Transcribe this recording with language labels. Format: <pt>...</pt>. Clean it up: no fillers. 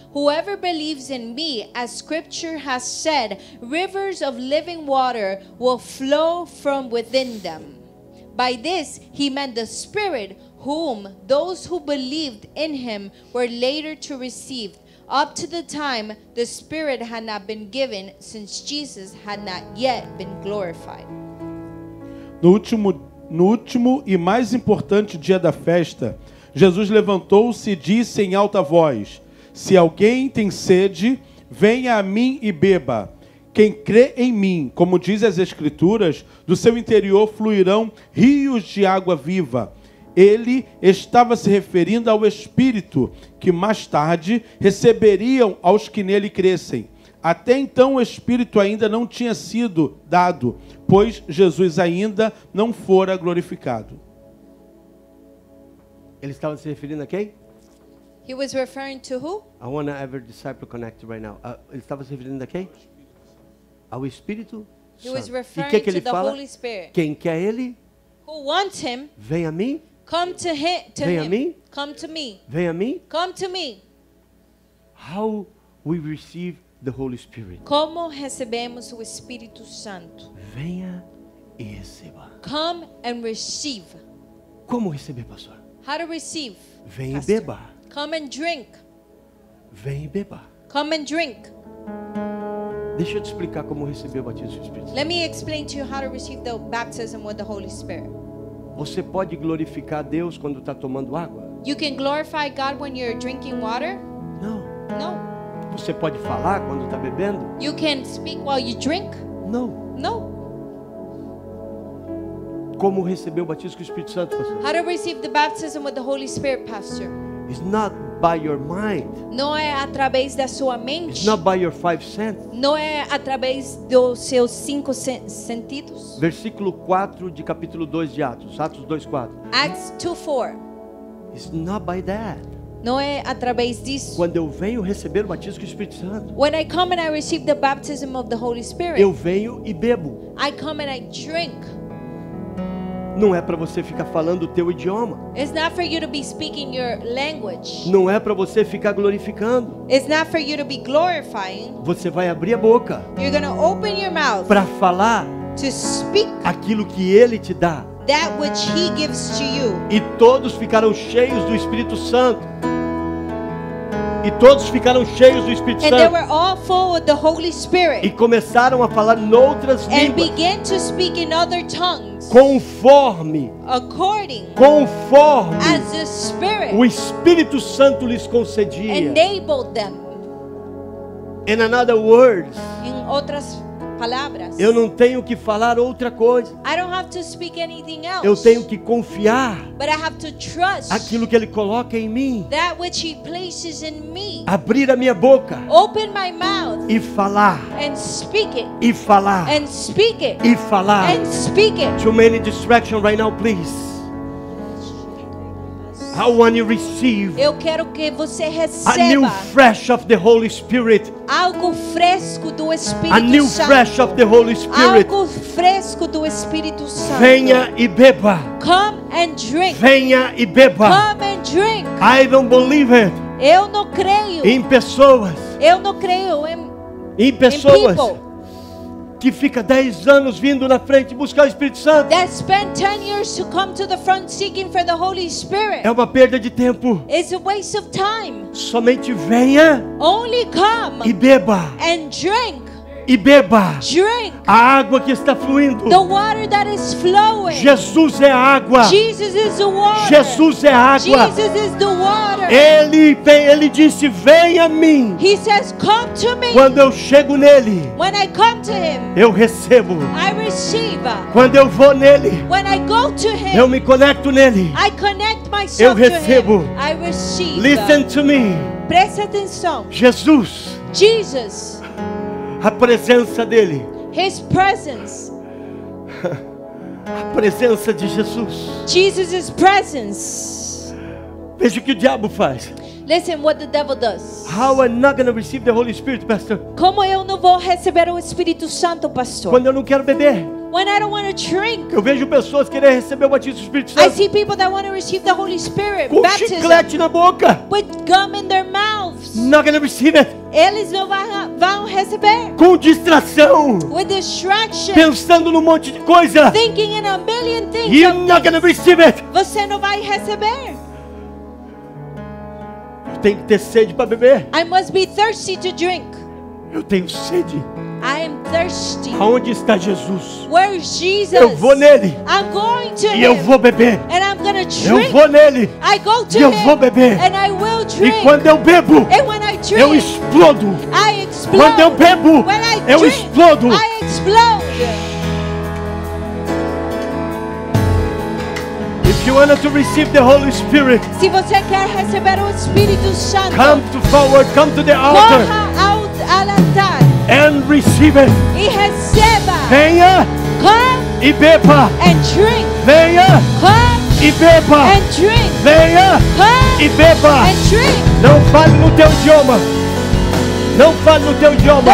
<en>Whoever believes in me, as scripture has said, rivers of living water will flow from within them." By this, he meant the Spirit, whom those who believed in him were later to receive. Up to the time, the Spirit had not been given, since Jesus had not yet been glorified.</en> <pt>No último e mais importante dia da festa, Jesus levantou-se e disse em alta voz: "Se alguém tem sede, venha a mim e beba. Quem crê em mim, como diz as Escrituras, do seu interior fluirão rios de água viva." Ele estava se referindo ao Espírito, que mais tarde receberiam aos que nele crescem. Até então o Espírito ainda não tinha sido dado, pois Jesus ainda não fora glorificado. Ele estava se referindo a quem?</pt> <en>He was referring to who? I want to have a disciple connect right now.</en> <pt>Ele estava se referindo a quem? Ao Espírito Santo.</pt> <en>He was referring to the</en> <pt>fala?</pt> <en>Holy Spirit.</en> <pt>Quem quer ele?</pt> <en>Who wants him?</en> <pt>Vem a mim.</pt> <en>Come to him. To</en> <pt>vem</pt> <en>him.</en> <pt>A mim.</pt> <en>Come to me.</en> <pt>Vem a mim.</pt> <en>Come to me. How we receive the Holy Spirit.</en> <pt>Como recebemos o Espírito Santo? Venha e receba.</pt> <en>Come and receive.</en> <pt>Como receber, pastor?</pt> <en>How to receive?</en> <pt>Vem pastor. E beba.</pt> <en>Come and drink.</en> <pt>Vem e beba.</pt> <en>Come and drink.</en> <pt>Deixa eu te explicar como receber o batismo do Espírito Santo.</pt> <en>Let me explain to you how to receive the baptism with the Holy Spirit.</en> <pt>Você pode glorificar Deus quando está tomando água?</pt> <en>You can glorify God when you're drinking water? No. No.</en> <pt>Você pode falar quando está bebendo?</pt> <en>You can speak while you drink? No. No.</en> <pt>Como receber o batismo com o Espírito Santo, pastor?</pt> <en>How to receive the baptism with the Holy Spirit, pastor? It's not by your mind.</en> <pt>Não é através da sua mente.</pt> <en>It's not by your 5 cents.</en> <pt>Não é através dos seus 5 sentidos. Versículo 4 de capítulo 2 de Atos. Atos 2, 4.</pt> <en>Acts 2, 4. It's not by that.</en> <pt>Não é através disso. Quando eu venho receber o batismo com o Espírito Santo.</pt> <en>When I come and I receive the baptism of the Holy Spirit.</en> <pt>Eu venho e bebo.</pt> <en>I come and I drink.</en> <pt>Não é para você ficar falando o teu idioma.</pt> <en>It's not for you to be speaking your language.</en> <pt>Não é para você ficar glorificando.</pt> <en>It's not for you to be glorifying.</en> <pt>Você vai abrir a boca.</pt> <en>You're gonna open your mouth.</en> <pt>Para falar.</pt> <en>To speak.</en> <pt>Aquilo que Ele te dá.</pt> <en>That which He gives to you.</en> <pt>E todos ficaram cheios do Espírito Santo. E todos ficaram cheios do Espírito Santo.</pt> <en>And they were all full of the Holy Spirit.</en> <pt>E começaram a falar em outras línguas.</pt> <en>And began to speak in other tongues.</en> <pt>Conforme.</pt> <en>According.</en> <pt>Conforme.</pt> <en>As the Spirit.</en> <pt>O Espírito Santo lhes concedia.</pt> <en>Enabled them. In other words.</en> <pt>Em outras palavras. Eu não tenho que falar outra coisa.</pt> <en>I don't have to speak anything else.</en> <pt>Eu tenho que confiar.</pt> <en>But I have to trust.</en> <pt>Aquilo que Ele coloca em mim.</pt> <en>That which He places in me.</en> <pt>Abrir a minha boca.</pt> <en>Open my mouth.</en> <pt>E falar.</pt> <en>And speak it.</en> <pt>E falar.</pt> <en>And speak it.</en> <pt>E falar.</pt> <en>And speak it. Too many distractions right now, please. I want you to receive.</en> <pt>Eu quero que você receba.</pt> <en>A new fresh of the Holy Spirit.</en> <pt>Algo fresco do Espírito</pt> <en>Santo. A new fresh of the Holy Spirit.</en> <pt>Algo fresco do Espírito Santo. Venha e beba.</pt> <en>Come and drink.</en> <pt>Venha e beba.</pt> <en>Come and drink. I don't believe it.</en> <pt>Eu não creio. Em pessoas. Eu não creio em. Em pessoas. Que fica 10 anos vindo na frente buscar o Espírito Santo.</pt> <en>That spent 10 years to come to the front seeking for the Holy Spirit.</en> <pt>É uma perda de tempo.</pt> <en>It's a waste of time.</en> <pt>Somente venha.</pt> <en>Only come.</en> <pt>E beba.</pt> <en>And drink.</en> <pt>E beba.</pt> <en>Drink.</en> <pt>A água que está fluindo.</pt> <en>The water that is flowing.</en> <pt>Jesus é a água.</pt> <en>Jesus is the water.</en> <pt>Jesus é a água.</pt> <en>Jesus is the water.</en> <pt>Ele disse: "Venha a mim."</pt> <en>He says, "Come to me."</en> <pt>Quando eu chego nele.</pt> <en>When I come to him.</en> <pt>Eu recebo.</pt> <en>I receive.</en> <pt>Quando eu vou nele.</pt> <en>When I go to him.</en> <pt>Eu me conecto nele.</pt> <en>I connect myself to him.</en> <pt>Eu recebo.</pt> <en>I receive. Listen to me.</en> <pt>Preste atenção. Jesus. Jesus. A presença dele.</pt> <en>His presence.</en> <pt>A presença de Jesus.</pt> <en>Jesus' presence.</en> <pt>Veja o que o diabo faz.</pt> <en>Listen what the devil does. How am I not going to receive the Holy Spirit, pastor?</en> <pt>Como eu não vou receber o Espírito Santo, pastor? Quando eu não quero beber.</pt> <en>When I don't want to drink.</en> <pt>Eu vejo pessoas querer receber o batismo do Espírito Santo.</pt> <en>I see people that want to receive the Holy Spirit.</en> <pt>Com baptism, chiclete na boca.</pt> <en>With gum in their mouths. Not going to receive it.</en> <pt>Eles não vão receber. Com distração.</pt> <en>With distraction.</en> <pt>Pensando num monte de coisa.</pt> <en>Thinking in a million things. You're not going to receive it.</en> <pt>Você não vai receber. Eu tenho que ter sede para beber.</pt> <en>I must be thirsty to drink.</en> <pt>Eu tenho sede.</pt> <en>I am thirsty.</en> <pt>Aonde está Jesus?</pt> <en>Where is Jesus?</en> <pt>Eu vou nele.</pt> <en>I'm going to</en> <pt>e</pt> <en>him.</en> <pt>Eu vou beber.</pt> <en>And I'm gonna drink.</en> <pt>Eu vou nele.</pt> <en>I go to</en> <pt>e eu</pt> <en>him.</en> <pt>Vou beber.</pt> <en>And I will drink.</en> <pt>E quando eu bebo,</pt> <en>and when I drink,</en> <pt>eu explodo.</pt> <en>I explode.</en> <pt>Quando eu bebo,</pt> <en>when I drink,</en> <pt>eu explodo.</pt> <en>I explode. You want to receive the Holy Spirit.</en> <pt>Se você quer receber o Espírito Santo,</pt> <en>come to forward, come to the altar.</en> <pt>Corra out ao altar.</pt> <en>And receive it.</en> <pt>E receba. Venha.</pt> <en>Come.</en> <pt>E beba.</pt> <en>And drink.</en> <pt>Venha.</pt> <en>Come.</en> <pt>E beba.</pt> <en>And drink.</en> <pt>Venha.</pt> <en>Come.</en> <pt>E beba.</pt> <en>And drink.</en> <pt>Não fale no teu idioma. Não fale no teu idioma.</pt>